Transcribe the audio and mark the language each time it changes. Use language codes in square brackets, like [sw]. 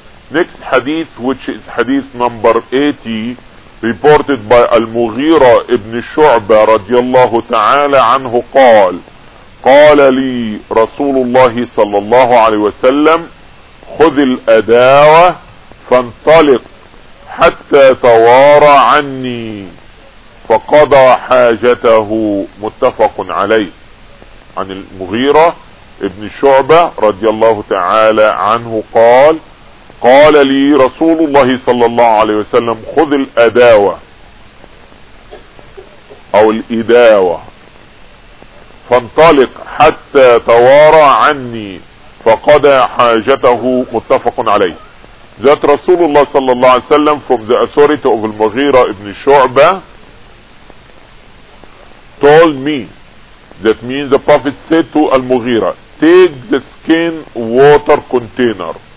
[en] Next hadith, which is hadith number 80, reported by [ar] Al-Mughira ibn Shu'ba radiyallahu ta'ala anhu, qala li Rasulullah sallallahu alaihi wasallam, khudh al-adawa فانطلق حتى توارى عني فقضى حاجته. متفق عليه. عن المغيرة ابن شعبة رضي الله تعالى عنه قال قال لي رسول الله صلى الله عليه وسلم خذ الأداوة أو الإداوة فانطلق حتى توارى عني فقضى حاجته. متفق عليه. [en] That Rasulullah sallallahu alaihi wasallam, from the authority of Al-Mughira ibn Shu'ba, told me, that means the Prophet said to Al-Mughira, take the skin water container.